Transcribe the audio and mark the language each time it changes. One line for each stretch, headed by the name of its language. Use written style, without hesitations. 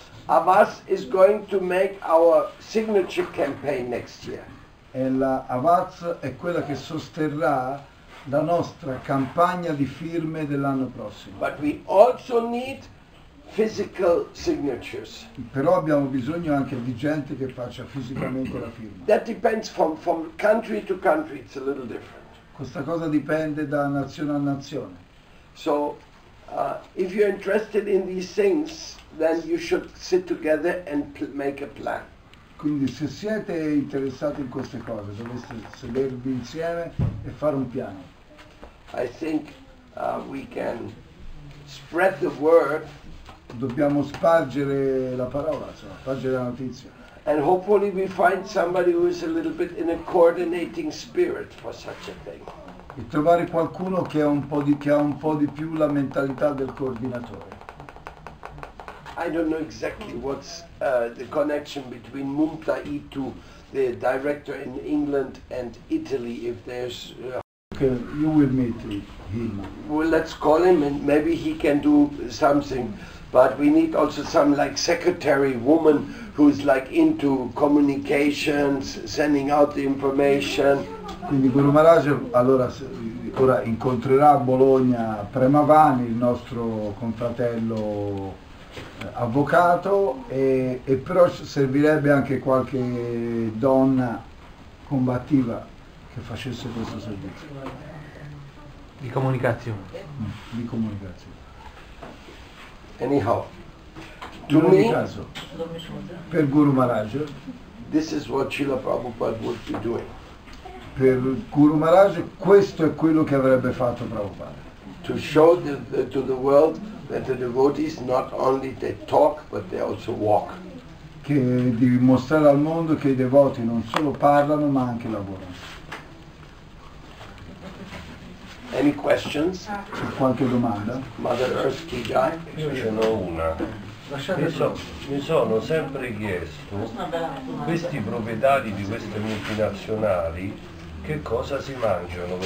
English: Avas is going to make our signature campaign next year.
Italian: E la Avas è quella che sosterrà la nostra campagna di firme dell'anno prossimo.
English: But we also need physical signatures.
Italian: Però abbiamo bisogno anche di gente che faccia fisicamente la firma.
English: That depends from country to country, it's a little different.
Italian: Questa cosa dipende da nazione a nazione.
English: So if you're interested in these things, then you should sit together and make a plan.
Italian: Quindi se siete interessati in queste cose, dovreste sedervi insieme e fare un piano.
English: I think we can spread the word.
Italian: Dobbiamo spargere la parola, insomma, spargere la notizia.
English: And hopefully we find somebody who is a little bit in a coordinating spirit for such a thing.
Italian: E trovare qualcuno che ha un po' di più la mentalità del coordinatore.
English: I don't know exactly what's the connection between Mumta Itu, the director in England, and Italy, if there's. Okay, you will meet him. Well, let's call him and maybe he can do something. But we need also some like secretary woman who's like into communications, sending out the information.
Italian: Quindi Guru Maharaj allora ora incontrerà a Bologna Premavani, il nostro confratello avvocato, e però servirebbe anche qualche donna combattiva che facesse questo servizio. Di comunicazione. Di comunicazione.
English: Anyhow, to me,
Italian: caso, per Guru Maharaj,
English: this is what Srila Prabhupada would be doing.
Italian: Per Guru Maharaj, questo è quello che avrebbe fatto Prabhupada.
English: To show to the world that the devotees not only they talk, but they also walk.
Italian: Che di mostrare al mondo che i devoti non solo parlano, ma anche lavorano.
English: Any questions?
Italian: C'è qualche domanda?
English: Mother Earth Ki Jai?
Italian: Io ce n'ho una. Mi sono sempre chiesto, questi proprietari di queste multinazionali, che cosa si mangiano?